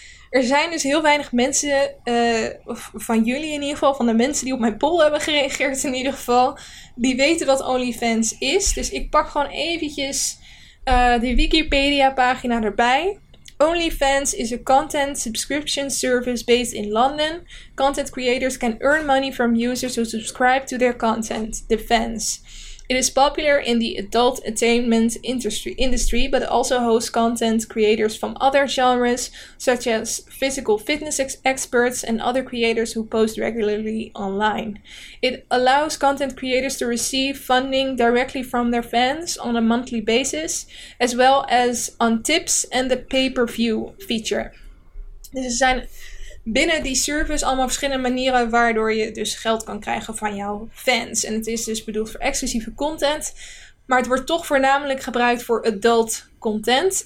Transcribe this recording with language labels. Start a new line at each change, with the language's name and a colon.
Dutch: Er zijn dus heel weinig mensen, van jullie in ieder geval, van de mensen die op mijn poll hebben gereageerd in ieder geval, die weten wat OnlyFans is. Dus ik pak gewoon eventjes de Wikipedia-pagina erbij.
English: OnlyFans is a content subscription service based in London. Content creators can earn money from users who subscribe to their content, the fans. It is popular in the adult entertainment industry, but also hosts content creators from other genres, such as physical fitness experts and other creators who post regularly online. It allows content creators to receive funding directly from their fans on a monthly basis, as well as on tips and the pay-per-view feature.
Dutch: Dus er zijn binnen die service allemaal verschillende manieren waardoor je dus geld kan krijgen van jouw fans. En het is dus bedoeld voor exclusieve content. Maar het wordt toch voornamelijk gebruikt voor adult content.